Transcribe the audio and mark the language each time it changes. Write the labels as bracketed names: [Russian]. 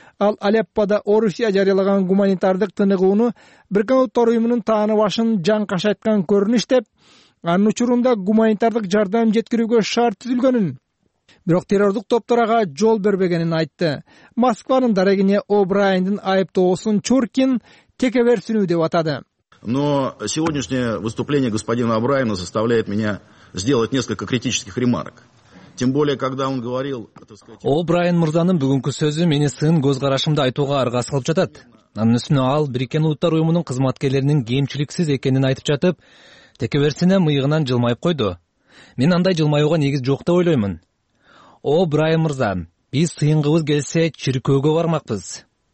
[Kyrgyz] Ал Алеппада Орусия жарыялаган гуманитардык тыныгууну Биркен Улуттар Уюмунун тааныбашын жаңкашайткан көрүнүш деп, анын учурунда гуманитардык жардам жеткирүүгө шарт түзүлгөнүн, бирок террордук топторго жол бербегенин айтты. Москванын дарегине О'Брайендин айыптоосун Чуркин текеберсинүү деп атады. [Russian] Но сегодняшнее выступление господина О'Брайена заставляет меня сделать несколько критических ремарок. Тем более, когда он говорил, [Kyrgyz] О'Брайен мырзанын бүгүнкү сөзү мени сын көз карашымды айтууга аргасыз кылып жатат. Анын үстүнө ал Бириккен Улуттар Уюмунун кызматкерлеринин кемчиликсиз экенин айтып жатып, текеберсине мыйыгынан жылмайып койду. Мен андай жылмаюуга негиз жок деп ойлоймун. О'Брайен мырза, биз сыйынгыбыз келсе чиркөөгө бармакпыз.